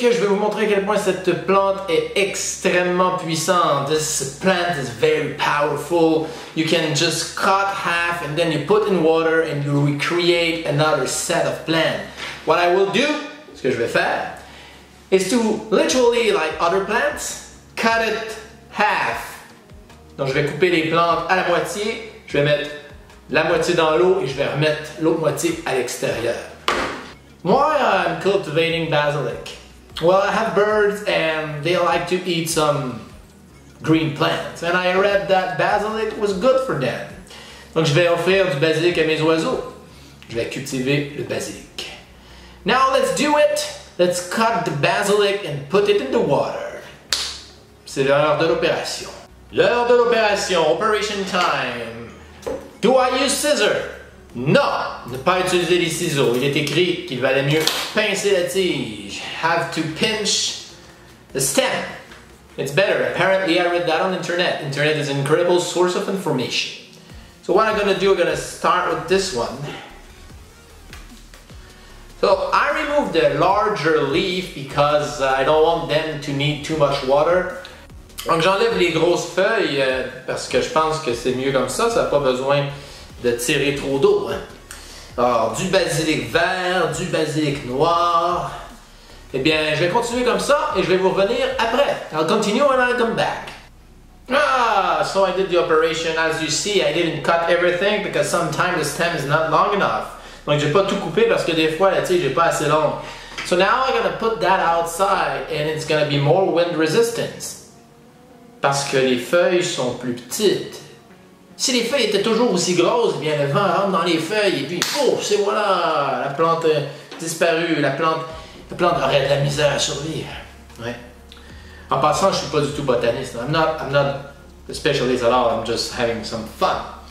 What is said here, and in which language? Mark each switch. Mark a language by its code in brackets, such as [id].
[fr] Je vais vous montrer à quel point cette plante est extrêmement puissante. [en] This plant is very powerful. You can just cut half and then you put in water and you recreate another set of plants. What I will do, [fr] ce que je vais faire, [en] is to literally, like other plants, cut it half. [fr] Donc je vais couper les plantes à la moitié, je vais mettre la moitié dans l'eau et je vais remettre l'autre moitié à l'extérieur. [en] Why I'm cultivating basilic? Well, I have birds and they like to eat some green plants. And I read that basilic was good for them. [fr] Donc je vais offrir du basilic à mes oiseaux. Je vais cultiver le basilic. [en] Now let's do it. Let's cut the basilic and put it in the water. [fr] C'est l'heure de l'opération. L'heure de l'opération, [en] operation time. Do I use scissors? [fr] Non! Ne pas utiliser les ciseaux. Il est écrit qu'il valait mieux pincer la tige. [en] Have to pinch the stem. It's better. Apparently, I read that on internet. Internet is an incredible source of information. So what I'm gonna do, I'm gonna start with this one. So I removed the larger leaf because I don't want them to need too much water. [fr] Donc j'enlève les grosses feuilles parce que je pense que c'est mieux comme ça. Ça n'a pas besoin de tirer trop d'eau. Alors, du basilic vert, du basilic noir. Eh bien, je vais continuer comme ça et je vais vous revenir après. [en] I'll continue and I'll come back. Ah, so I did the operation. As you see, I didn't cut everything because sometimes the stem is not long enough. [fr] Donc, j'ai pas tout coupé parce que des fois, la tige n'est pas assez longue. [en] So now I'm gonna put that outside and it's gonna be more wind resistant. [fr] Parce que les feuilles sont plus petites. Si les feuilles étaient toujours aussi grosses, bien le vent rentre dans les feuilles et puis, oh, c'est voilà, la plante disparue, la plante aurait de la misère à survivre. Ouais. En passant, je ne suis pas du tout botaniste. [en] I'm not a specialist at all, I'm just having some fun.